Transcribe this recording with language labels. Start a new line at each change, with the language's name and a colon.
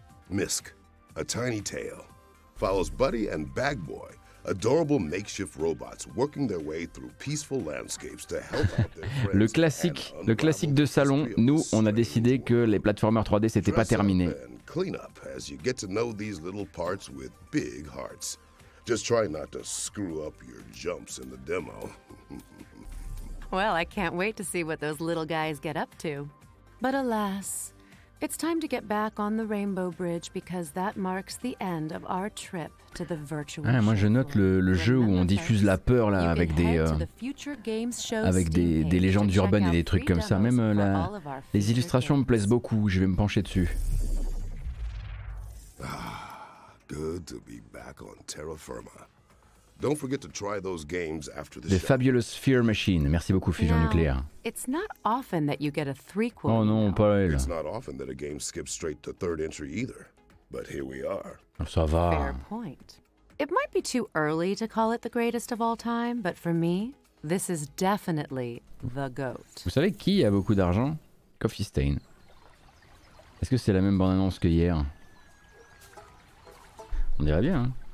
English: Misk, a tiny tale, follows Buddy and Bag Boy, adorable makeshift robots working their way through peaceful landscapes to help out their friends.
French: Le classique de salon. Nous, on a décidé que les plateformers 3D c'était pas terminé.
English: Clean up as you get to know these little parts with big hearts. Just try not to screw up your jumps in the demo. Well, I can't wait to see what those little guys get up to. But alas, it's time to get back on the Rainbow Bridge because that marks the end of our trip to the virtual.
French: Ah, moi je note le jeu où on diffuse la peur là avec des légendes urbaines et des trucs comme ça. Même les illustrations me plaisent beaucoup, je vais me pencher dessus.
English: Ah, good to be back on terra firma. Don't forget to try those games after the show.
French: The Fabulous Fear Machine. Merci beaucoup, Fusion Nucléaire.
English: It's not often that you get a threequel.
French: Oh non, pas elle.
English: It's not often that a game skips straight to third entry either. But here we are.
French: Ça va.
English: Fair point. It might be too early to call it the greatest of all time, but for me, this is definitely the GOAT.
French: Vous savez qui a beaucoup d'argent? Coffee Stain. Est-ce que c'est la même bande-annonce que hier? On dirait bien, hein?